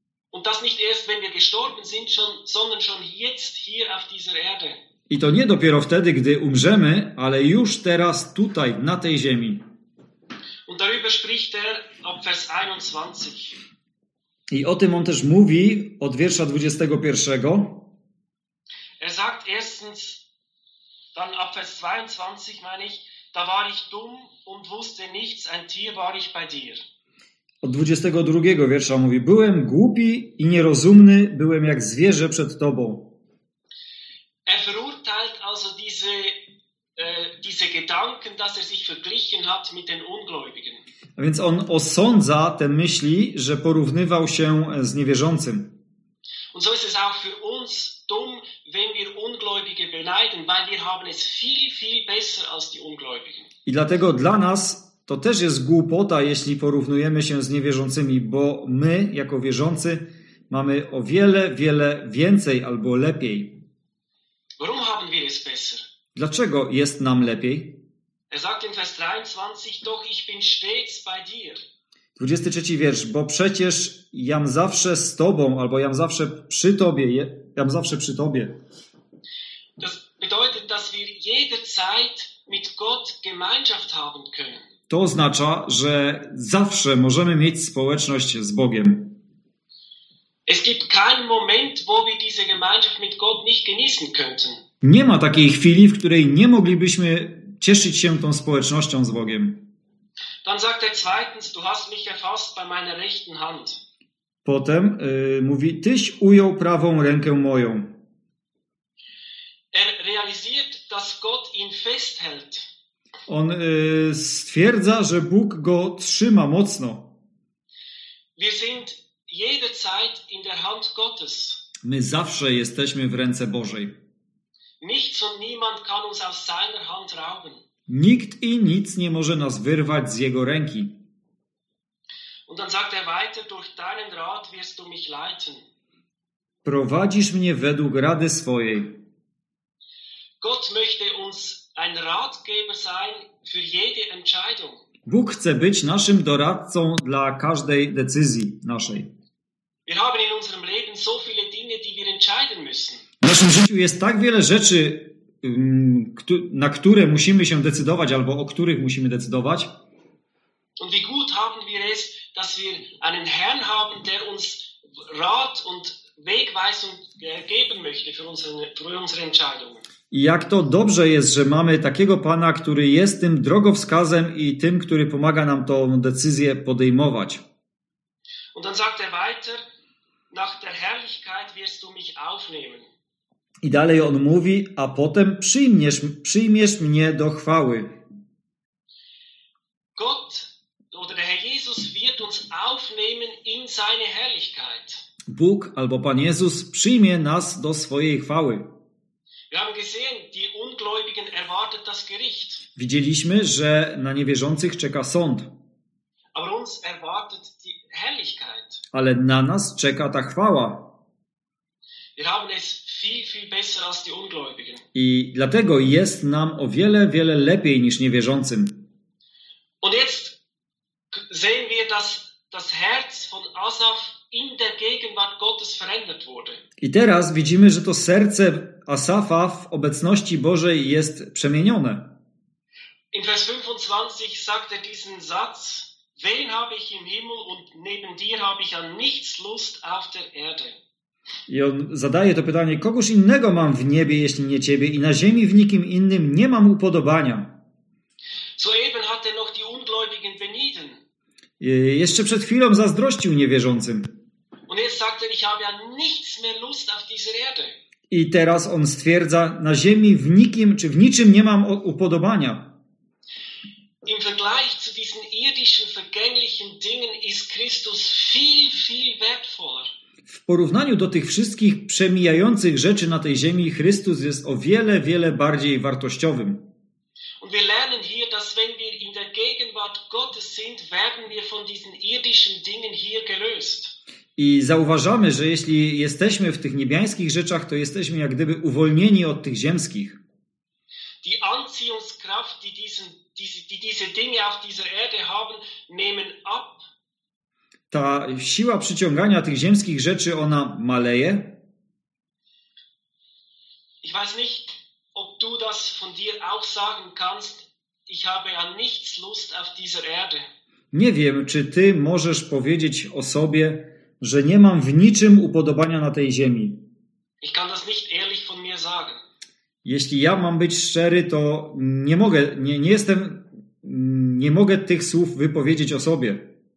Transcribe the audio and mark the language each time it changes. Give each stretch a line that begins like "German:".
German: Und das nicht erst, wenn wir gestorben sind, sondern schon jetzt hier auf dieser Erde.
Polish: I to nie dopiero wtedy, gdy umrzemy, ale już teraz tutaj, na tej ziemi.
German: Und darüber spricht er ab Vers 21.
Polish: I o tym on też mówi od wiersza 21.
German: Er sagt erstens, dann ab Vers 22 meine ich, da war ich dumm und wusste nichts, ein Tier war ich bei dir.
Polish: Od 22 wiersza mówi, byłem głupi i nierozumny, byłem jak zwierzę przed tobą.
German: Er verurteilt also diese Gedanken, dass er sich verglichen hat mit den Ungläubigen.
Polish: A więc on osądza te myśli, że porównywał się z niewierzącym.
German: Und so ist es auch für uns dumm, wenn wir Ungläubige beneiden, weil wir haben es viel, viel besser als die Ungläubigen.
Polish: I dlatego dla nas to też jest głupota, jeśli porównujemy się z niewierzącymi, bo my, jako wierzący, mamy o wiele, wiele więcej albo lepiej.
German: Warum haben wir es besser?
Polish: Dlaczego jest nam lepiej?
German: Er sagt in Vers 23, doch ich bin stets bei dir.
Polish: 23 wiersz, bo przecież jam zawsze z tobą, albo jam zawsze przy tobie, jam zawsze przy tobie.
German: Das bedeutet, dass wir jederzeit mit Gott Gemeinschaft haben können.
Polish: To oznacza, że zawsze możemy mieć społeczność z Bogiem.
German: Es gibt keinen Moment, wo wir diese Gemeinschaft mit Gott nicht genießen könnten.
Polish: Nie ma takiej chwili, w której nie moglibyśmy cieszyć się tą społecznością z Bogiem.
German: Dann sagt er zweitens, du hast mich erfasst bei meiner rechten Hand.
Polish: Potem mówi, tyś ujął prawą rękę moją.
German: Er realisiert, dass Gott ihn festhält.
Polish: On stwierdza, że Bóg go trzyma mocno.
German: Wir sind jederzeit in der Hand Gottes.
Polish: My zawsze jesteśmy w ręce Bożej.
German: Nichts und niemand kann uns aus seiner Hand rauben.
Polish: Nikt i nic nie może nas wyrwać z jego ręki.
German: Und dann sagt er weiter, durch deinen Rat wirst du mich leiten.
Polish: Prowadzisz mnie według rady swojej.
German: Gott möchte uns ein Ratgeber sein für jede Entscheidung.
Polish: Bóg chce być naszym doradcą dla każdej decyzji naszej.
German: Wir haben in unserem Leben so viele Dinge, die wir entscheiden müssen.
Polish: W naszym życiu jest tak wiele rzeczy, na które musimy się decydować albo o których musimy decydować.
German: Und wie gut haben wir es, dass wir einen Herrn haben, der uns Rat und Wegweisung geben möchte für unsere Entscheidungen.
Polish: Jak to dobrze jest, że mamy takiego Pana, który jest tym drogowskazem i tym, który pomaga nam tą decyzję podejmować.
German: Und dann sagt er weiter, nach der Herrlichkeit wirst du mich aufnehmen.
Polish: I dalej on mówi, a potem przyjmiesz mnie do chwały.
German: Gott oder der Herr Jesus wird uns aufnehmen in seine Herrlichkeit.
Polish: Bóg albo Pan Jezus przyjmie nas do swojej chwały.
German: Wir haben gesehen, die Ungläubigen erwartet das Gericht.
Polish: Widzieliśmy, że na niewierzących czeka sąd.
German: Aber uns erwartet die Herrlichkeit.
Polish: Ale na nas czeka ta chwała.
German: Wir haben es viel, viel besser als die Ungläubigen.
Polish: I dlatego jest nam o wiele, wiele lepiej niż niewierzącym.
German: Und jetzt sehen wir, dass das Herz von Asaf in der Gegenwart Gottes verändert wurde.
Polish: I teraz widzimy, że to serce Asafa w obecności Bożej jest przemienione.
German: In Vers 25 sagt er diesen Satz: Wen habe ich im Himmel und neben dir habe ich an nichts Lust auf der Erde.
Polish: I on zadaje to pytanie: kogoż innego mam w niebie, jeśli nie ciebie, i na ziemi w nikim innym nie mam upodobania.
German: Soeben hat er noch die Ungläubigen benieden.
Polish: Jeszcze przed chwilą zazdrościł niewierzącym.
German: Und jetzt sagt er, ich habe an nichts mehr Lust auf dieser Erde.
Polish: I teraz on stwierdza: na ziemi w nikim czy w niczym nie mam upodobania.
German: Im Vergleich zu diesen irdischen vergänglichen Dingen ist Christus viel, viel wertvoller.
Polish: W porównaniu do tych wszystkich przemijających rzeczy na tej ziemi, Chrystus jest o wiele, wiele bardziej wartościowym.
German: Und wir lernen hier, dass wenn wir in der Gegenwart Gottes sind, werden wir von diesen irdischen Dingen hier gelöst.
Polish: I zauważamy, że jeśli jesteśmy w tych niebiańskich rzeczach, to jesteśmy jak gdyby uwolnieni od tych ziemskich.
German: Die Anziehungskraft, die diesen diese Dinge auf dieser Erde haben, nehmen ab.
Polish: Ta siła przyciągania tych ziemskich rzeczy, ona maleje.
German: Ich weiß nicht, ob du das von dir auch sagen kannst. Ich habe an nichts Lust auf dieser Erde.
Polish: Nie wiem, czy ty możesz powiedzieć o sobie, że nie mam w niczym upodobania na tej ziemi.
German: Ich kann das nicht ehrlich von mir sagen.
Polish: Jeśli ja mam być szczery, to nie mogę, nie jestem, nie mogę tych słów wypowiedzieć o sobie.